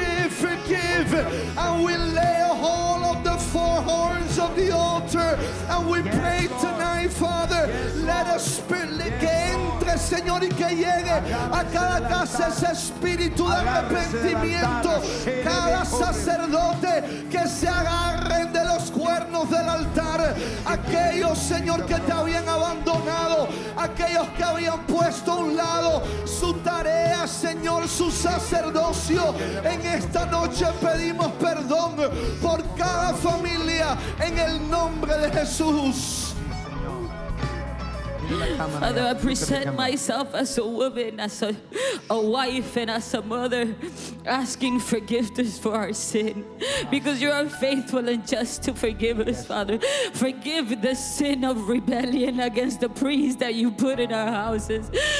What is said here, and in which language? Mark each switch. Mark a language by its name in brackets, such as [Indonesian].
[English] Forgive, and we lay a hold of the four horns of the altar, and we pray tonight, Father, let us speak. [Spanish] Señor, y que llegue a cada casa ese espíritu de arrepentimiento, cada sacerdote que se agarren de los cuernos del altar, aquellos, Señor, que te habían abandonado, aquellos que habían puesto a un lado su tarea, Señor, su sacerdocio. En esta noche pedimos perdón por cada familia en el nombre de Jesús. [English] Father, I present myself as a woman, as a wife, and as a mother, asking forgiveness for our sin, because you are faithful and just to forgive us, Father. Forgive the sin of rebellion against the priest that you put in our houses.